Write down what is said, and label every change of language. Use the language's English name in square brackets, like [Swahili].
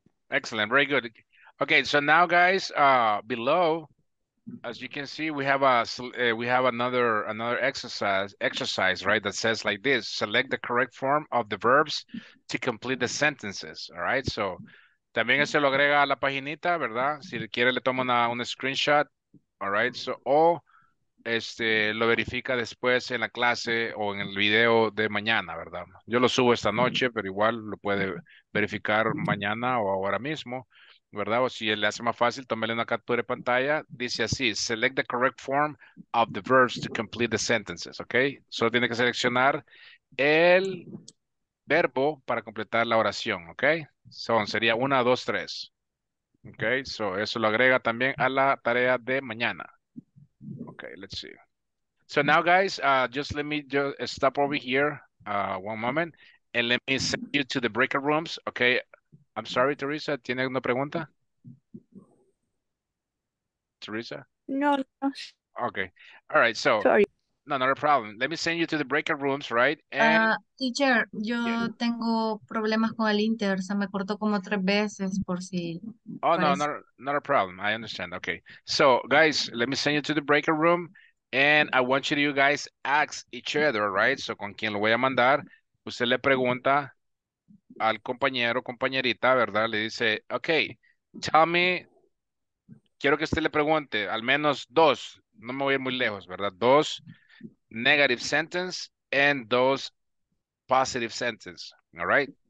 [English] Excellent, very good. Okay, so now guys, below, as you can see, we have a another exercise, right, that says like this: select the correct form of the verbs to complete the sentences, all right? [Spanish] So también se lo agrega a la paginita, ¿verdad? Si quiere le toma una screenshot, [English] all right? [Spanish] So lo verifica después en la clase o en el video de mañana, ¿verdad? Yo lo subo esta noche, pero igual lo puede verificar mañana o ahora mismo, ¿verdad? O si le hace más fácil, tómele una captura de pantalla. Dice así: [English] select the correct form of the verbs to complete the sentences, ¿ok? [Spanish] Solo tiene que seleccionar el verbo para completar la oración, ¿ok? So, sería una, dos, tres. ¿Ok? So, eso lo agrega también a la tarea de mañana. [English] Okay, let's see. So now, guys, just let me just stop over here one moment and let me send you to the breakout rooms. Okay, I'm sorry, Teresa. [Spanish] ¿Tiene alguna pregunta? Teresa? [English] No. Okay. All right. So, sorry. No, not a problem. Let me send you to the breakout rooms, right? And... teacher, [Spanish] yo tengo problemas con el inter. Se me cortó como tres veces por si... [English] Oh, no, not a problem. I understand. Okay. So, guys, let me send you to the breakout room. And I want you to, you guys, ask each other, right? [Spanish] So, con quien lo voy a mandar, usted le pregunta al compañero, compañerita, ¿verdad? Le dice, [English] okay, tell me... [Spanish] Quiero que usted le pregunte al menos dos. No me voy a ir muy lejos, ¿verdad? Dos... [English] negative sentence and those positive sentence. All right.